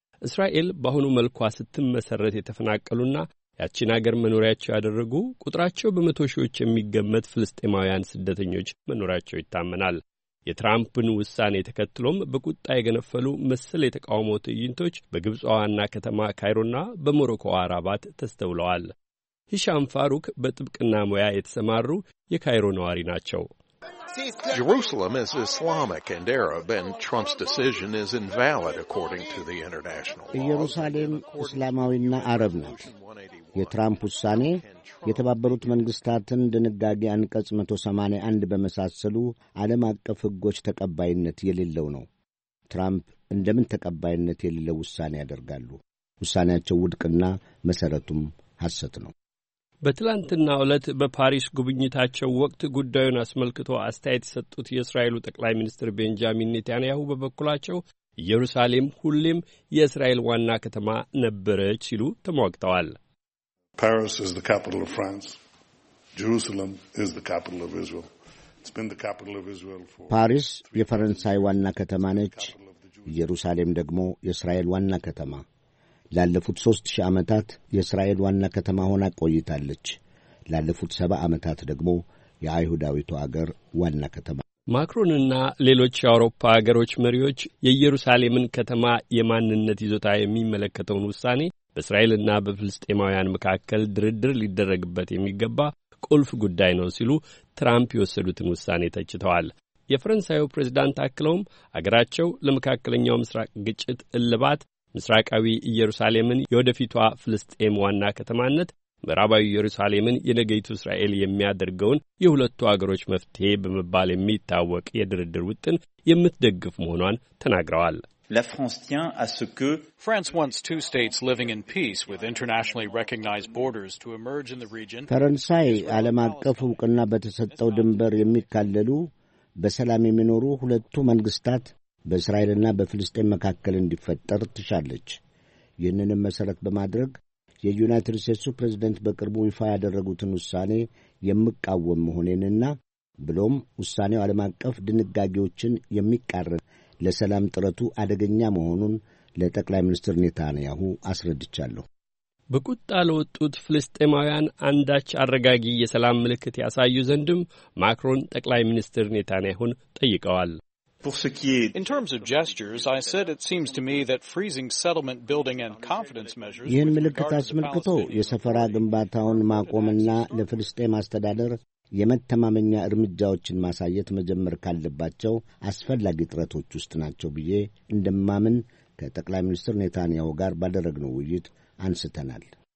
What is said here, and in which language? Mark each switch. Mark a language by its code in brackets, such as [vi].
[am] እስራኤል በአሁኑ መልኳ ስትመሠረት የተፈናቀሉና ያቺን አገር መኖሪያቸው ያደረጉ ቁጥራቸው በመቶ ሺዎች የሚገመት ፍልስጤማውያን ስደተኞች መኖሪያቸው ይታመናል። የትራምፕን ውሳኔ ተከትሎም በቁጣ የገነፈሉ መሰል የተቃውሞ ትዕይንቶች በግብጿ ዋና ከተማ ካይሮና በሞሮኮዋ ራባት ተስተውለዋል። ሂሻም ፋሩክ በጥብቅና ሙያ የተሰማሩ የካይሮ ነዋሪ ናቸው። [en] Jerusalem is Islamic and Arab, and Trump's decision is invalid according to the international law. [am] ኢየሩሳሌም እስላማዊና አረብ ናት። የትራምፕ ውሳኔ የተባበሩት መንግስታትን ድንጋጌ አንቀጽ 181 በመሳሰሉ ዓለም አቀፍ ሕጎች ተቀባይነት የሌለው ነው። ትራምፕ እንደምን ተቀባይነት የሌለው ውሳኔ ያደርጋሉ? ውሳኔያቸው ውድቅና መሰረቱም ሐሰት ነው። በትላንትናው ዕለት በፓሪስ ጉብኝታቸው ወቅት ጉዳዩን አስመልክቶ አስተያየት የሰጡት የእስራኤሉ ጠቅላይ ሚኒስትር ቤንጃሚን ኔታንያሁ በበኩላቸው ኢየሩሳሌም ሁሌም የእስራኤል ዋና ከተማ ነበረች ሲሉ ተሟግተዋል። [en] Paris is the capital of France. Jerusalem is the capital of Israel. It's been the capital of Israel for [am] Paris, የፈረንሳይ ዋና ከተማ ነች። ኢየሩሳሌም ደግሞ የእስራኤል ዋና ከተማ ላለፉት 3000 ዓመታት የእስራኤል ዋና ከተማ ሆና ቆይታለች። ላለፉት 70 ዓመታት ደግሞ የአይሁዳዊቱ አገር ዋና ከተማ። ማክሮንና ሌሎች የአውሮፓ አገሮች መሪዎች የኢየሩሳሌምን ከተማ የማንነት ይዞታ የሚመለከተውን ውሳኔ በእስራኤልና በፍልስጤማውያን መካከል ድርድር ሊደረግበት የሚገባ ቁልፍ ጉዳይ ነው ሲሉ ትራምፕ የወሰዱትን ውሳኔ ተችተዋል። የፈረንሳዩ ፕሬዝዳንት አክለውም አገራቸው ለመካከለኛው ምስራቅ ግጭት እልባት ምስራቃዊ ኢየሩሳሌምን የወደፊቷ ፍልስጤም ዋና ከተማነት፣ ምዕራባዊ ኢየሩሳሌምን የነገይቱ እስራኤል የሚያደርገውን የሁለቱ አገሮች መፍትሄ በመባል የሚታወቅ የድርድር ውጥን የምትደግፍ መሆኗን ተናግረዋል። [fr] La France tient à ce que [en] France wants two states living in peace with internationally recognized borders to emerge in the region. [am] ፈረንሳይ ዓለም አቀፍ ዕውቅና በተሰጠው ድንበር የሚካለሉ በሰላም የሚኖሩ ሁለቱ መንግስታት በእስራኤልና በፍልስጤም መካከል እንዲፈጠር ትሻለች። ይህንንም መሰረት በማድረግ የዩናይትድ ስቴትስ ፕሬዝደንት በቅርቡ ይፋ ያደረጉትን ውሳኔ የምቃወም መሆኔንና ብሎም ውሳኔው ዓለም አቀፍ ድንጋጌዎችን የሚቃረን ለሰላም ጥረቱ አደገኛ መሆኑን ለጠቅላይ ሚኒስትር ኔታንያሁ አስረድቻለሁ። በቁጣ ለወጡት ፍልስጤማውያን አንዳች አረጋጊ የሰላም ምልክት ያሳዩ ዘንድም ማክሮን ጠቅላይ ሚኒስትር ኔታንያሁን ጠይቀዋል። [en] In terms of gestures, I said it seems to me that freezing settlement building and confidence measures [am] ይህን ምልክት አስመልክቶ የሰፈራ ግንባታውን ማቆምና ለፍልስጤም አስተዳደር የመተማመኛ እርምጃዎችን ማሳየት መጀመር ካለባቸው አስፈላጊ ጥረቶች ውስጥ ናቸው ብዬ እንደማምን ከጠቅላይ ሚኒስትር ኔታንያሁ ጋር ባደረግነው ውይይት አንስተናል።